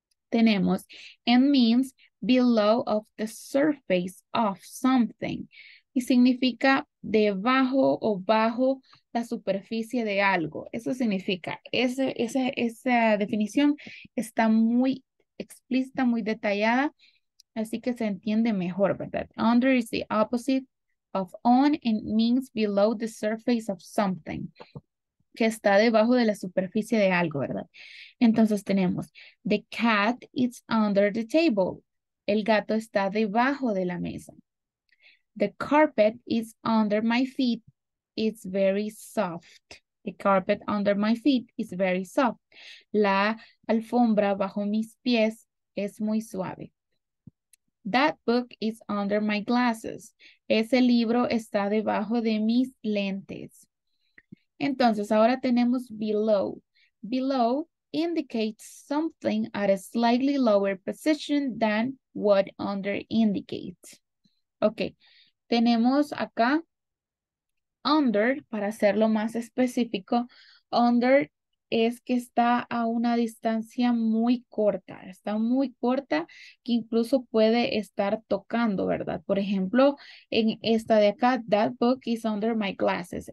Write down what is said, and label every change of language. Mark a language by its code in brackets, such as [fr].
[es] Tenemos [en] and means below of the surface of something. [es] Y significa debajo o bajo la superficie de algo. Eso significa, esa definición está muy explícita, muy detallada, así que se entiende mejor, ¿verdad? [en] Under is the opposite of on and means below the surface of something, [es] que está debajo de la superficie de algo, ¿verdad? Entonces tenemos, [en] the cat is under the table. [es] El gato está debajo de la mesa. [en] The carpet is under my feet. It's very soft. The carpet under my feet is very soft. [es] La alfombra bajo mis pies es muy suave. [en] That book is under my glasses. [es] Ese libro está debajo de mis lentes. Entonces, ahora tenemos below. [en] Below indicates something at a slightly lower position than what under indicates. [es] Ok, tenemos acá under, para hacerlo más específico, under es que está a una distancia muy corta, está muy corta que incluso puede estar tocando, ¿verdad? Por ejemplo, en esta de acá, [en] that book is under my glasses.